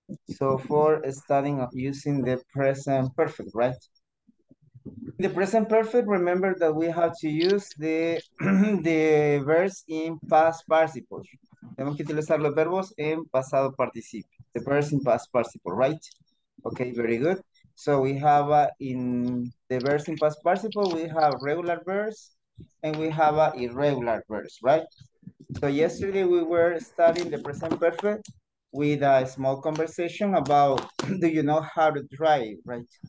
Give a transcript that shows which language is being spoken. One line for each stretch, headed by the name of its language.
English: So for studying using the present perfect, right? The present perfect, remember that we have to use the verbs in past participles.
Spanish: Tenemos que utilizar los verbos en pasado participio.
English: The verbs in past participle, right? Okay, very good. So we have in the verbs in past participle, we have regular verbs and we have irregular verbs, right? So yesterday we were studying the present perfect with a small conversation about do you know how to drive, right?